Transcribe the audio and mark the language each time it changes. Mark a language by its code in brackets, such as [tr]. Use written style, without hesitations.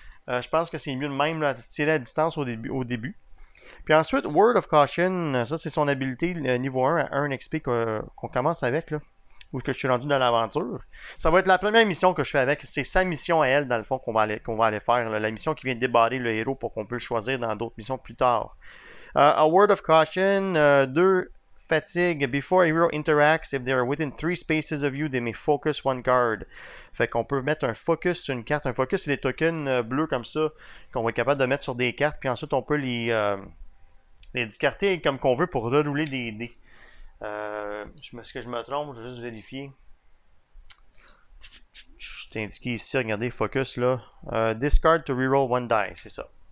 [fr] Je pense que c'est mieux de même là, de tirer à distance au début. Puis ensuite, Word of Caution, ça c'est son habilité niveau 1 à 1 XP qu'on commence avec là. Ou ce que je suis rendu dans l'aventure. Ça va être la première mission que je fais avec. C'est sa mission à elle, dans le fond, qu'on va aller faire. Là. La mission qui vient débarrer le héros pour qu'on puisse le choisir dans d'autres missions plus tard. [en] A word of caution. 2 fatigue. Before a hero interacts, if they are within 3 spaces of you, they may focus one card. [fr] Fait qu'on peut mettre un focus sur une carte. Un focus, c'est des tokens bleus comme ça qu'on va être capable de mettre sur des cartes. Puis ensuite, on peut les discarter comme qu'on veut pour rerouler des dés. Est-ce que je me trompe? Je vais juste vérifier. Je t'indique ici, regardez, focus là. [en] Discard to reroll one die, [fr] c'est ça.